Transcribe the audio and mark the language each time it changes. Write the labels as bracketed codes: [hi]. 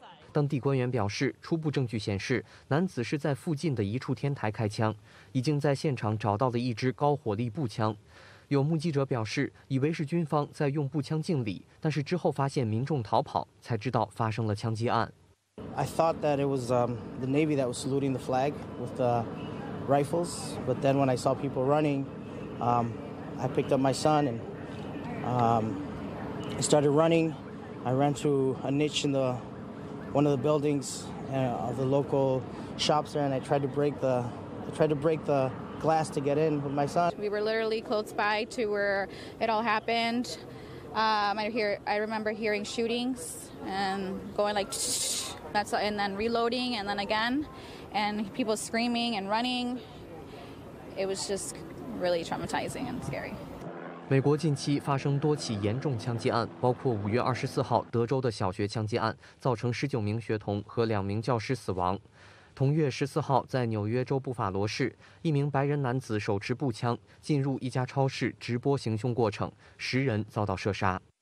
[zh] 当地官员表示，初步证据显示，男子是在附近的一处天台开枪，已经在现场找到了一支高火力步枪。有目击者表示，以为是军方在用步枪敬礼，但是之后发现民众逃跑，才知道发生了枪击案。 [en] I thought that it was the Navy that was saluting the flag with the rifles, but then when I saw people running, I picked up my son and started running. I ran to a niche in one of the buildings of the local shops there, and I tried to break the glass to get in with my son. We were literally close by to where it all happened. I remember hearing shootings and going like, that's, and then reloading and then again, and people screaming and running. It was just really traumatizing and scary. [zh] 美国近期发生多起严重枪击案，包括5月24号德州的小学枪击案，造成19名学童和2名教师死亡。同月14号在纽约州布法罗市，一名白人男子手持步枪进入一家超市直播行凶过程，10人遭到射杀。